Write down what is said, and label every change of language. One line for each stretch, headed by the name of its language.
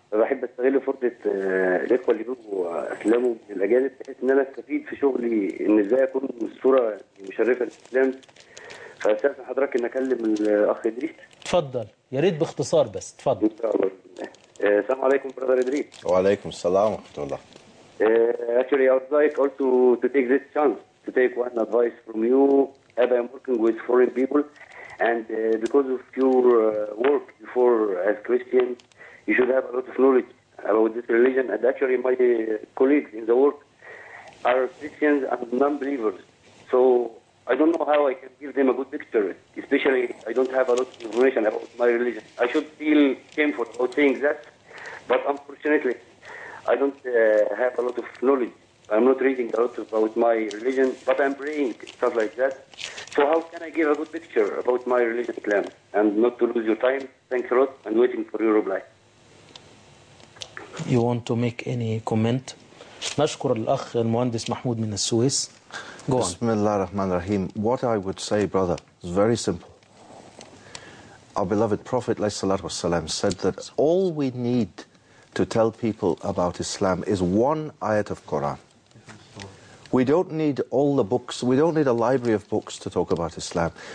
Arabic: بحب أستغل فرصة الإخوة اللي بيجوا أسلموا من الأجانب، بحيث إن أنا أستفيد في شغلي إن إزاي أكون صورة مشرفة للإسلام. فأستأذن حضرتك إن أكلم الأخ إدريس. تفضل، يا ريت باختصار بس، تفضل. إن شاء الله. السلام عليكم برادر إدريس. وعليكم السلام ورحمة الله.
English: Actually, I would like also to take this chance to take one advice from you. Abba, I'm working with foreign people, and because of your work before as Christian, you should have a lot of knowledge about this religion. And actually, my colleagues in the work are Christians and non-believers, so I don't know how I can give them a good picture. Especially, I don't have a lot of information about my religion. I should feel shameful about saying that, but unfortunately, I don't have a lot of knowledge. I'm not reading a lot about my religion, but I'm praying, stuff like that. So how can I give a good picture about my religion, Islam? And not to lose your time, thanks a lot, and waiting for your reply. You want to make any comment?
Arabic: نشكر الأخ المهندس محمود من السويس.
English: Go on.
Arabic: بسم الله الرحمن الرحيم.
English: What I would say, brother, is very simple. Our beloved Prophet said that all we need to tell people about Islam is one ayat of Quran. We don't need all the books. We don't need a library of books to talk about Islam.